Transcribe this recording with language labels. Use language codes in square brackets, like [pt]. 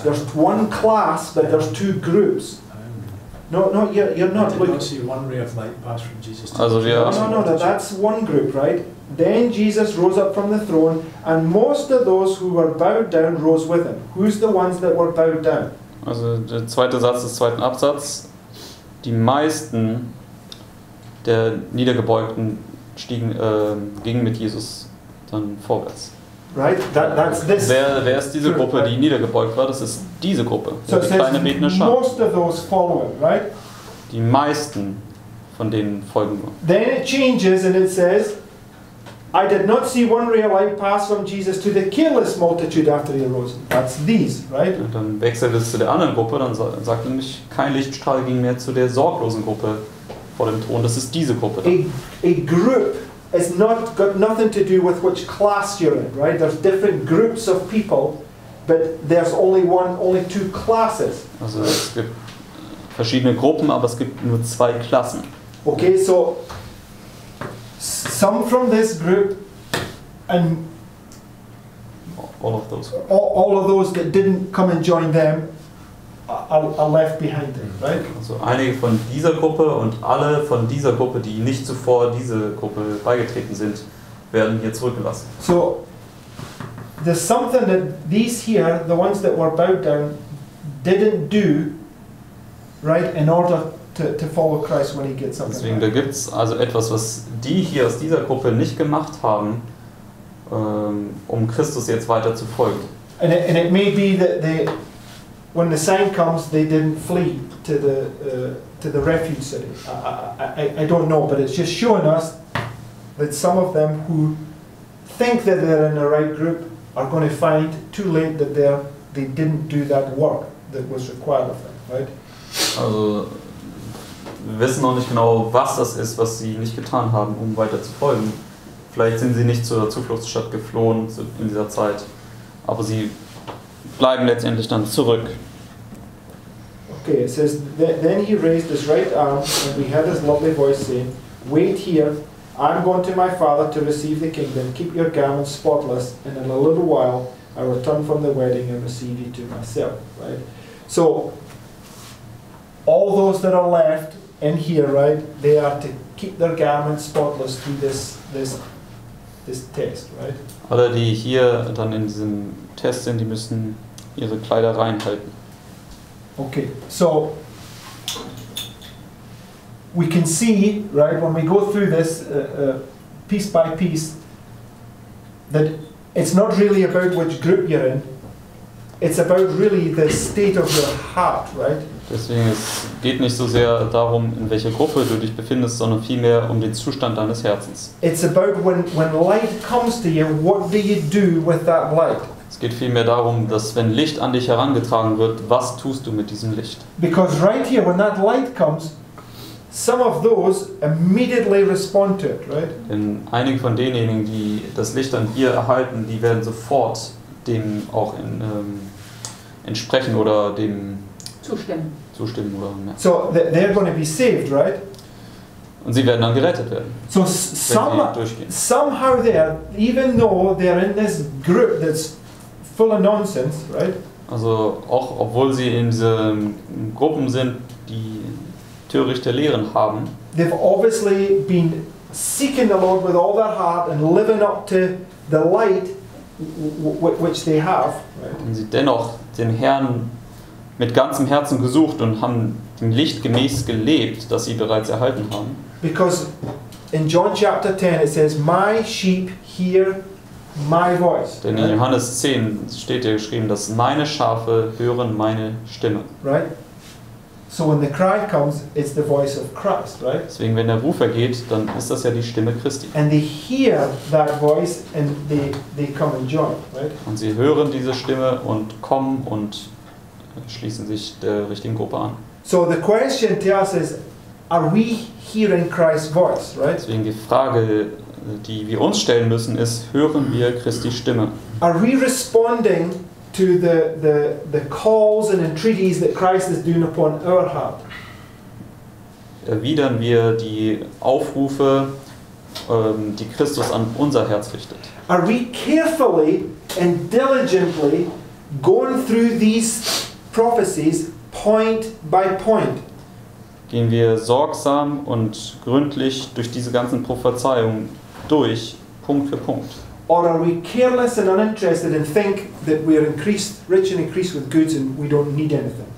[en] There's one class, but there's two groups. I see one ray of light pass from Jesus. That's one group, right? Then Jesus rose up from the throne, and most of those who were bowed down rose with him. Who's the ones that were bowed down? [de] Also der zweite Satz des zweiten Absatz. Die meisten der Niedergebeugten gingen mit Jesus dann vorwärts. [en] Right? That's this. [de] Wer ist diese Gruppe, die niedergebeugt war? Das ist diese Gruppe. So die kleine betende Schar. [en] Most of those following, right? [de] Die meisten von denen folgen nur. [en] Then it changes and it says, I did not see one ray of light pass from Jesus to the careless multitude after he arose. That's these, right? [de] Und dann wechselt es zu der anderen Gruppe, dann sagt nämlich, kein Lichtstrahl ging mehr zu der sorglosen Gruppe vor dem Thron. Das ist diese Gruppe. [en] A group. It's not got nothing to do with which class you're in, right? There's different groups of people, but there's only two classes. [de] Also es gibt verschiedene Gruppen, aber es gibt nur zwei Klassen. [en] Okay, so some from this group and all of those that didn't come and join them are left behind, them, right? [de] Also einige von dieser Gruppe und alle von dieser Gruppe, die nicht zuvor diese Gruppe beigetreten sind, werden hier zurückgelassen. [en] So, there's something that these here, the ones that were bowed down, didn't do, right, in order to follow Christ when he gets something. [de] Deswegen, da gibt's also etwas, was die hier aus dieser Gruppe nicht gemacht haben, um Christus jetzt weiter zu folgen. [en] And it may be that they when the sign comes, they didn't flee to the refuge city. I don't know, but it's just showing us that some of them who think that they're in the right group are going to find too late that they didn't do that work that was required of them, right? [de] Also, wir wissen noch nicht genau, was das ist, was sie nicht getan haben, um weiter zu folgen. Vielleicht sind sie nicht zur Zufluchtsstadt geflohen in dieser Zeit, aber sie bleiben letztendlich dann zurück. [en] Okay, it says, then he raised his right arm and we heard his lovely voice saying, wait here, I'm going to my father to receive the kingdom, keep your garments spotless, and in a little while I return from the wedding and receive you to myself, right? So, all those that are left in here, right, they are to keep their garments spotless through this test, right? [de] Alle, die hier dann in diesem Test sind, die müssen ihre Kleider reinhalten. [en] Okay, so we can see, right, when we go through this piece by piece, that it's not really about which group you're in, it's about really the state of your heart, right? [de] Deswegen, es geht nicht so sehr darum, in welcher Gruppe du dich befindest, sondern vielmehr um den Zustand deines Herzens. [en] It's about when light comes to you, what do you do with that light? [de] Es geht vielmehr darum, dass wenn Licht an dich herangetragen wird, was tust du mit diesem Licht? [en] Because right here, when that light comes, some of those immediately respond to it, right? [de] Denn einige von denjenigen, die das Licht dann hier erhalten, die werden sofort dem auch entsprechen oder dem zustimmen. Oder, ja. [en] So they're going to be saved, right? [de] Und sie werden dann gerettet werden. [en] So somehow there, even though they're in this group that's full of nonsense, right? [de] Also auch obwohl sie in diesen Gruppen sind, die törichte Lehren haben. [en] They've obviously been seeking the Lord with all their heart and living up to the light which they have. Right? [de] Und sie dennoch den Herrn mit ganzem Herzen gesucht und haben dem Licht gemäß gelebt, das sie bereits erhalten haben. [en] Because in John chapter 10 it says, my sheep hear my voice. [de] Denn in Johannes 10 steht ja geschrieben, dass meine Schafe hören meine Stimme. [en] Right? So when the cry comes, it's the voice of Christ, right? [de] Deswegen, wenn der Ruf ergeht, dann ist das ja die Stimme Christi. [en] And they hear that voice and they come and join, right? [de] Und sie hören diese Stimme und kommen und schließen sich der richtigen Gruppe an. [en] So the question to us is, are we hearing Christ's voice, right? [de] Deswegen die Frage, die wir uns stellen müssen, ist, hören wir Christi Stimme? [en] Are we responding to the calls and entreaties that Christ is doing upon our heart? [de] Erwidern wir die Aufrufe, die Christus an unser Herz richtet? [en] Are we carefully and diligently going through these prophecies point by point? [de] Gehen wir sorgsam und gründlich durch diese ganzen Prophezeiungen durch, Punkt für Punkt? [en] Or are we careless and uninterested and think that we are increased, rich and increased with goods and we don't need anything?